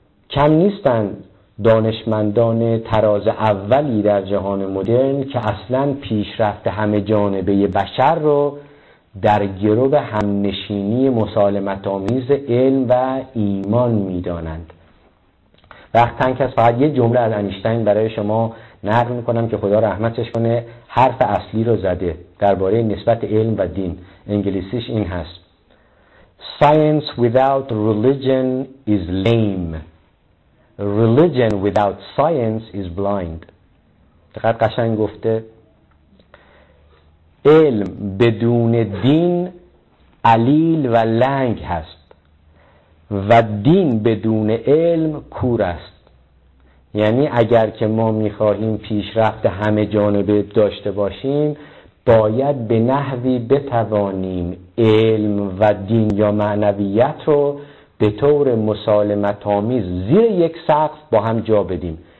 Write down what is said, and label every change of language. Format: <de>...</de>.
<fa>کم نیستند دانشمندان تراز اولی در جهان مدرن که اصلاً پیشرفت همه جانبه بشر رو در گرو همنشینی مسالمت آمیز علم و ایمان می‌دانند. وقت تنگ است، فقط یه جمله از اینشتین برای شما نقل می‌کنم که خدا رحمتش کنه حرف اصلی رو زده درباره نسبت علم و دین. انگلیسیش این هست:</fa> <en>Science without religion is lame. Religion without science is blind.</en> <fa>دقیق قشنگ گفته. علم بدون دین علیل و لنگ هست و دین بدون علم کور است. یعنی اگر که ما میخواهیم پیشرفت همه جانبه داشته باشیم، باید به نحوی بتوانیم علم و دین یا معنویت رو به طور مسالمت‌آمیز زیر یک سقف با هم جا بدیم.</fa>